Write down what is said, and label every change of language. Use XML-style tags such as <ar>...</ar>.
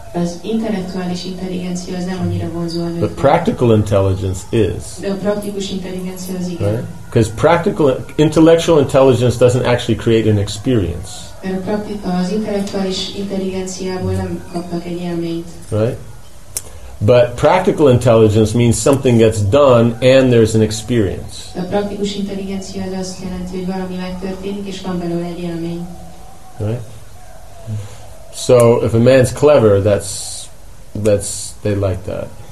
<hu>Az intellektuális intelligencia az nem annyira vonzó a nőkben.</hu> <en>But practical intelligence is.</en> <hu>De a praktikus intelligencia az igen.</hu> <en>Because practical intellectual intelligence doesn't actually create an experience.</en> <hu>Az intellektuális intelligenciából nem kapnak egy élményt.</hu> <en>Right? But practical intelligence means something gets done and there's an experience.</en> <hu>A praktikus intelligencia az azt jelenti, hogy valami megtörténik és van belőle egy élmény.</hu> <en>Right? So if a man's clever, that's they like that.</en>